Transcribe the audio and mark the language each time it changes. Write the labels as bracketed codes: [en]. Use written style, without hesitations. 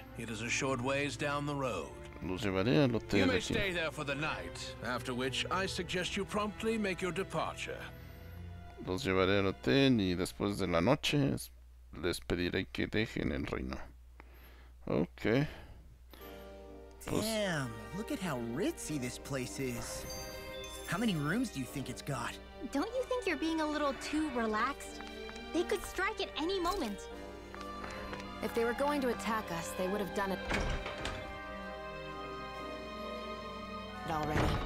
[en] It is a short ways down the road. [es] Los llevaré al hotel. [en] You may stay there for the night, after which I suggest you promptly make your departure. [es] Los llevaré al hotel y después de la noche les pediré que dejen el reino. [en] Okay. Damn, look at how ritzy this place is. How many rooms do you think it's got? Don't you think you're being a little too relaxed? They could strike at any moment. If they were going to attack us, they would have done it already.